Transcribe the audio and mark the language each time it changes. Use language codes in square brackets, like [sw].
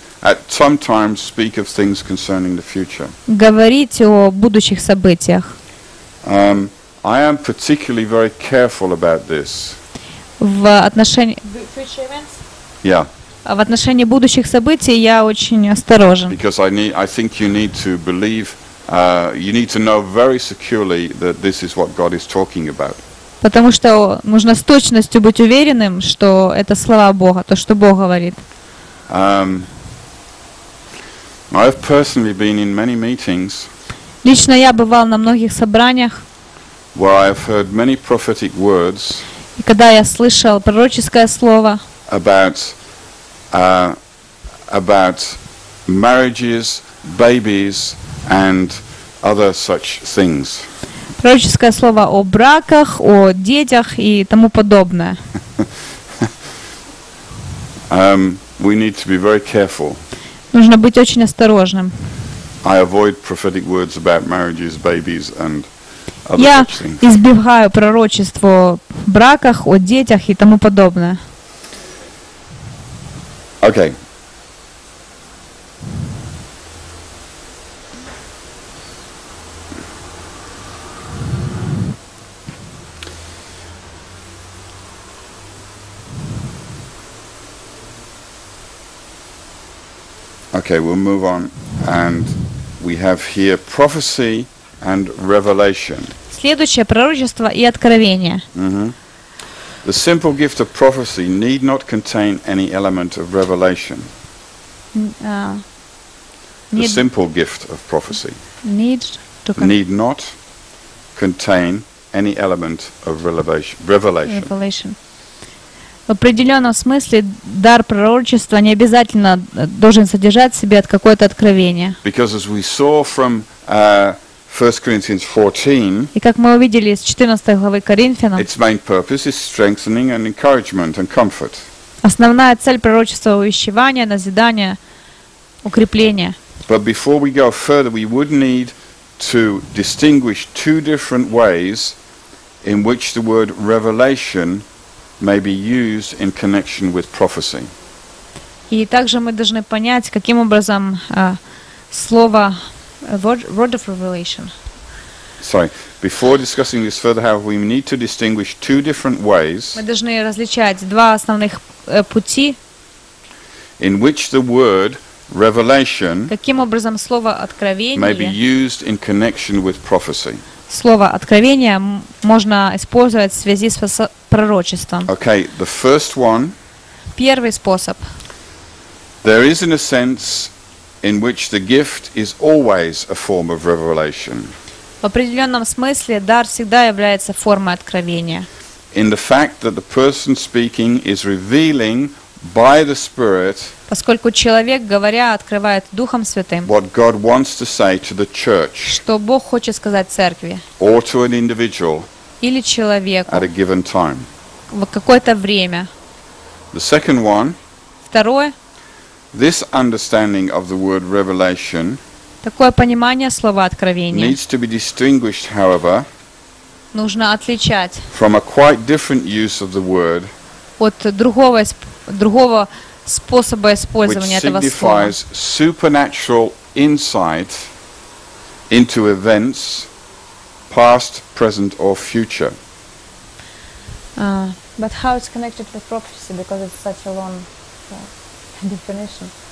[en] At some time speak of things concerning the future. [ru] Говорить о будущих событиях. [en] I am particularly very careful about this. [ru] В отношении. [en] Yeah. [ru] В отношении будущих событий я очень осторожен. [en] Because I think you need to believe. You need to know very securely that this is what God is talking about. [ru] Потому что нужно с точностью быть уверенным, что это слова Бога, то, что Бог говорит. [en] I've personally been in many meetings. [ru] Лично я бывал на многих собраниях. [en] where I have heard many prophetic words. [ru] И когда я слышал пророческое слово. [en] About marriages, babies, and other such things. [ru] Пророческое слово о браках, о детях и тому подобное. [en] We need to be very careful. [ru] Нужно быть очень осторожным. [en] I avoid prophetic words about marriages, babies, and other [ru] Я [en] such things. [ru] Я избегаю пророчеств о браках, о детях и тому подобное. [en] Okay. Okay, we'll move on, and we have here prophecy and revelation. [ru] Следующее пророчество и откровение. [en] The simple gift of prophecy need not contain any element of revelation. The simple gift of prophecy need not contain any element of revelation. [ru] В определенном смысле дар пророчества не обязательно должен содержать в себе какое-то откровение. [en] Because as we saw from 1 Corinthians 14, [ru] и как мы увидели из 14 главы Коринфянам, [en] its main purpose is strengthening and encouragement and comfort. [ru] Основная цель пророчества — увещевание, назидание, укрепление. [en] But before we go further, we would need to distinguish two different ways in which the word revelation may be used in connection with prophecy. [ru] И также мы должны понять, каким образом слово [en] word of revelation. Sorry, before discussing this further, however, we need to distinguish two different ways. [ru] Мы должны различать два основных пути. [en] In which the word revelation. [ru] Каким образом слово откровение. [en] May be used in connection with prophecy. [ru] Слово «откровение» можно использовать в связи с пророчеством. [en] Okay, the first one. [ru] Первый способ. [en] There is, in a sense, in which the gift is always a form of revelation. [ru] В определенном смысле дар всегда является формой откровения. [en] In the fact that the person speaking is revealing by the Spirit. [ru] Поскольку человек, говоря, открывает Духом Святым. [en] What God wants to say to the church. [ru] Что Бог хочет сказать церкви. [en] Or to an individual. [ru] Или человеку. [en] At a given time. [ru] В какое-то время. [en] The second one. [ru] Второе. [en] This understanding of the word revelation. [ru] Такое понимание слова откровение. [en] Needs to be distinguished, however. [ru] Нужно отличать. [en] From a quite different use of the word. [ru] От другого способа использования этого слова. [en] Which signifies supernatural insight into events, past, present, or future. But how it's connected with prophecy, because it's such a long definition.